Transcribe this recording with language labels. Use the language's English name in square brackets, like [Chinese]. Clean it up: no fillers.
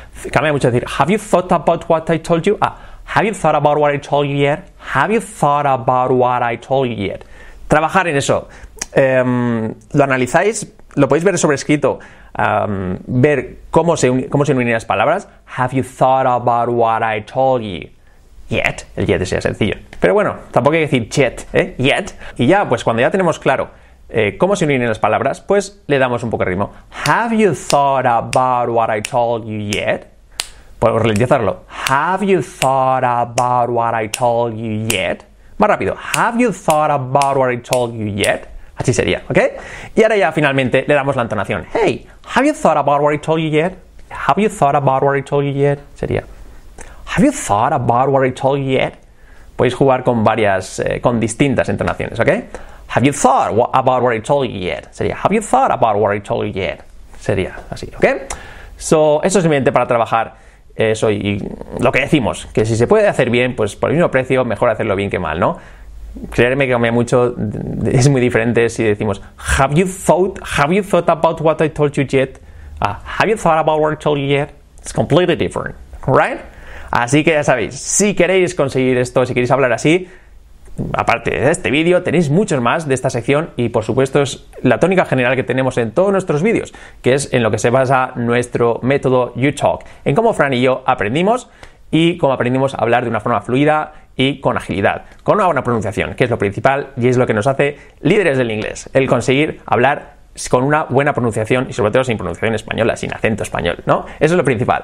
[Spanish] Cambia mucho decir, [English] have you thought about what I told you? Have you thought about what I told you yet? Have you thought about what I told you yet? [Spanish] Trabajar en eso. Lo analizáis, lo podéis ver sobre escrito. ver cómo se unen las palabras. [English] Have you thought about what I told you? [Spanish] Yet. El yet sea sencillo. Pero bueno, tampoco hay que decir yet, ¿eh? Yet. Y ya, pues cuando ya tenemos claro cómo se unen las palabras, pues le damos un poco de ritmo. [English] Have you thought about what I told you yet? [Spanish] Puedo ralentizarlo. [English] Have you thought about what I told you yet? [Spanish] Más rápido. [English] Have you thought about what I told you yet? [Spanish] Así sería, ¿ok? Y ahora ya finalmente le damos la entonación. [English] Hey, have you thought about what I told you yet? Have you thought about what I told you yet? Sería. Have you thought about what I told you yet? [Spanish] Podéis jugar con varias, con distintas entonaciones, ¿ok? [English] Have you thought about what I told you yet? Sería. Have you thought about what I told you yet? [Spanish] Sería así, ¿ok? So, eso es simplemente para trabajar eso y lo que decimos, que si se puede hacer bien, pues por el mismo precio, mejor hacerlo bien que mal, ¿no? Creerme que cambia mucho, es muy diferente si decimos [English] Have you thought about what I told you yet? Have you thought about what I told you yet? It's completely different, right? [Spanish] Así que ya sabéis, si queréis conseguir esto, si queréis hablar así, aparte de este vídeo, tenéis muchos más de esta sección y, por supuesto, es la tónica general que tenemos en todos nuestros vídeos, que es en lo que se basa nuestro método YouTalk, en cómo Fran y yo aprendimos y cómo aprendimos a hablar de una forma fluida y con agilidad, con una buena pronunciación, que es lo principal y es lo que nos hace líderes del inglés, el conseguir hablar con una buena pronunciación y, sobre todo, sin pronunciación española, sin acento español, ¿no? Eso es lo principal.